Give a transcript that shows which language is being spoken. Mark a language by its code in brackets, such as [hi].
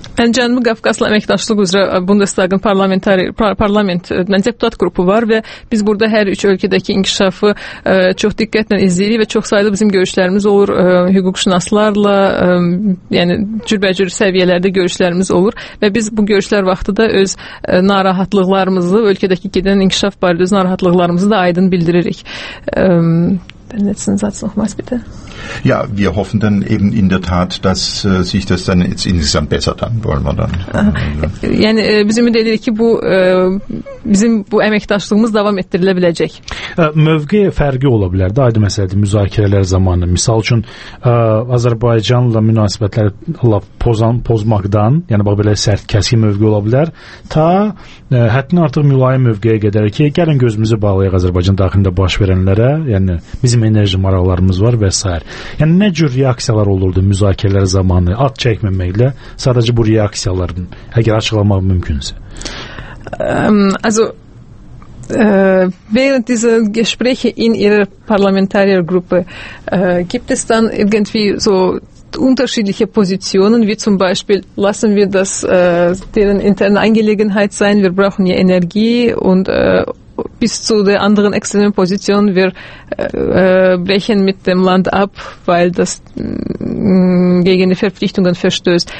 [az] Cənubi Qafqazla əməkdaşlıq üzrə Bundestagın parlamentindən deputat qrupu var və biz burada hər üç ölkədəki inkişafı çox diqqətlə izləyirik və çox sayda bizim görüşlərimiz olur hüquqşünaslarla, yəni cürbəcür səviyyələrdə görüşlərimiz olur və biz bu görüşlər vaxtı da öz narahatlıqlarımızı, ölkədəki gedən inkişaf barədə öz narahatlıqlarımızı da aydın bildiririk. [de] Den letzten Satz nochmals, bitte. Ja, wir hoffen dann eben in der Tat, dass sich das dann jetzt insgesamt bessert, dann wollen wir dann. [az] Yani bizim ümid edirik ki, bizim bu əməkdaşlığımız davam etdirilə biləcək. Mövqe fərqi ola bilər. Daha da məsələdir, müzakirələr zamanı. Misal üçün, Azərbaycanla münasibətləri pozmaqdan, yəni bax belə sərt, kəskin mövqe ola bilər, ta həddini artıq mülayim mövqeyə qədər ki, gəlin gözümüzü bağlayaq Azərbaycan daxilində baş verənlərə, yəni bizim enerji maraqlarımız var və s. Yəni nə cür reaksiyalar olurdu müzakirələr zamanı, ad çəkməməklə, sadəcə bu reaksiyaların, əgər açıqlamaq mümkünsə? [de] Während dieser Gespräche in Ihrer Parlamentariergruppe, gibt es dann irgendwie so unterschiedliche Positionen, wie zum Beispiel, lassen wir das deren interne Angelegenheit sein, wir brauchen ja Energie, und bis zu der anderen extremen Position, wir brechen mit dem Land ab, weil das gegen die Verpflichtungen verstößt.